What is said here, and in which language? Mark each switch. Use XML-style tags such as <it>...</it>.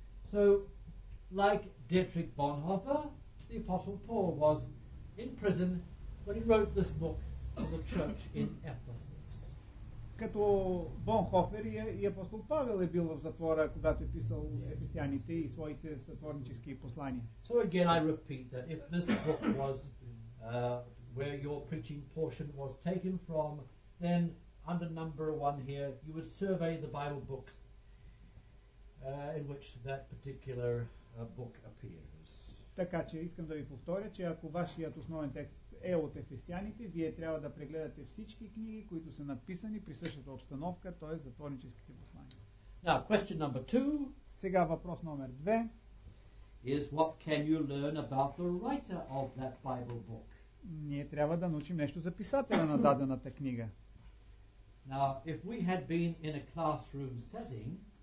<en>So, like Dietrich Bonhoeffer, the Apostle Paul was in prison when he wrote this book to the church in Ephesus.</en> <bg>Като Бонхофер и апостол Павел е бил в затвора, когато е писал Ефесяните и своите затворнически послания.</bg> <en>So again I repeat that if this book was where your preaching portion was taken from, then under number one here, you would survey the Bible books in which that particular book appears.</en> <bg>Така че искам да ви повторя, че ако вашият основен текст е от Ефесяните, вие трябва да прегледате всички книги, които са написани при същата обстановка, т.е. затворническите послания.</bg> <en>Now, question number two.</en> <bg>Сега въпрос номер две.</bg> <en>Is what can you learn about the writer of that Bible book?</en> <bg>Ние трябва да научим нещо за писателя на дадената книга.</bg> <en>Now, if we had been in a classroom setting,</en>